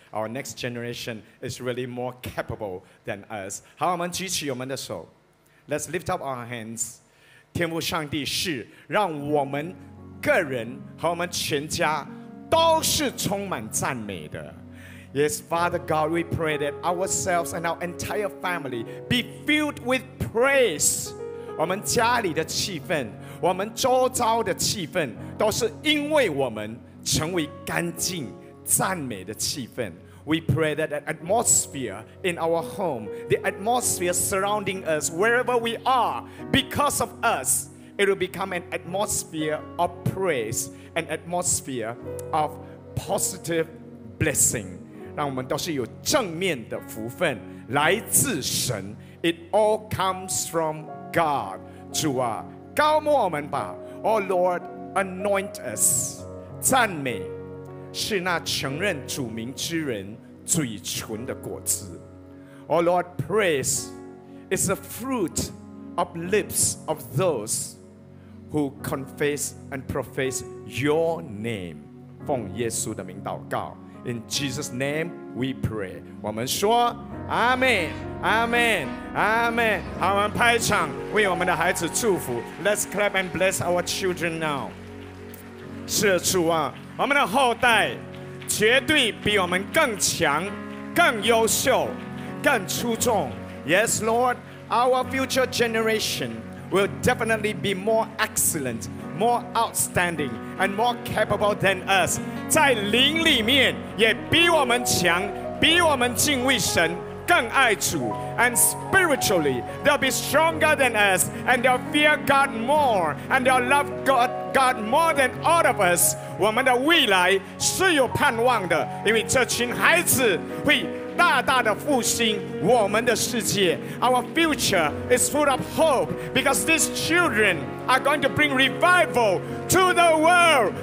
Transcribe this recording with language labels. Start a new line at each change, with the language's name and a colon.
English: Our next generation is really more capable than us。
Chinese: 好，我们举起我们的手，
English: Let's lift up our hands。
Chinese: 天父上帝，是让我们个人和我们全家都是充满赞美的。
English: Yes, Father God, we pray that ourselves and our entire family be filled with praise.
Chinese: 我们家里的气氛，我们周遭的气氛，都是因为我们成为干净赞美的气氛。
English: We pray that the atmosphere in our home, the atmosphere surrounding us, wherever we are, because of us, it will become an atmosphere of praise. An atmosphere of positive blessing.
Chinese: 让我们都是有正面的福分，来自神。
English: It all comes from God.
Chinese: 主啊，高牧我们吧。
English: Oh Lord, anoint us.
Chinese: 赞美是那承认主名之人嘴唇的果子。
English: Oh Lord, praise is the fruit of lips of those. Who confess and profess your name.
Chinese: 奉耶稣的名祷告。
English: In Jesus' name we pray.
Chinese: 我们说 Amen, Amen, Amen. 好，我们拍掌为我们的孩子祝福。
English: Let's clap and bless our children now.
Chinese: 是主啊，我们的后代绝对比我们更强，更优秀，更出众。
English: Yes, Lord, our future generation. Will definitely be more excellent, more outstanding, and more capable than us.
Chinese: 在灵里面也比我们强，比我们敬畏神，更爱主。
English: And spiritually, they'll be stronger than us, and they'll fear God more, and they'll love God more than all of us.
Chinese: 我们的未来是有盼望的，因为这群孩子会。大大的复兴我们的世界。
English: Our future is full of hope because these children are going to bring revival to the world.